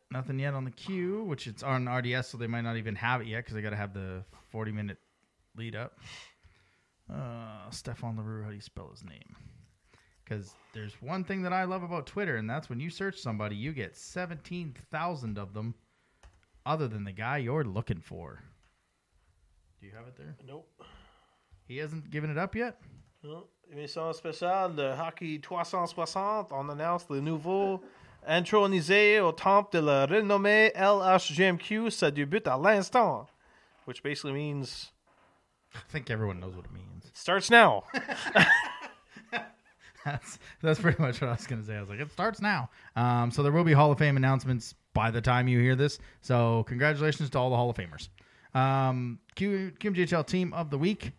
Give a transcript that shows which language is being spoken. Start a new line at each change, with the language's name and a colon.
English: Nothing yet on the queue, which it's on RDS, so they might not even have it yet because they got to have the 40-minute lead up. Stefan LaRue, how do you spell his name? Because there's one thing that I love about Twitter, and that's when you search somebody, you get 17,000 of them other than the guy you're looking for. Do you have it there? Nope. He hasn't given it up yet?
French: Well, émission spéciale de Hockey 360 on announce le nouveau intronisé au temple de la renommée LHGMQ, ça débute à l'instant.
English: Which basically means... I think everyone knows what it means. Starts now. That's pretty much what I was going to say. I was like, it starts now. So there will be Hall of Fame announcements by the time you hear this. So congratulations to all the Hall of Famers. QMJHL Team of the Week.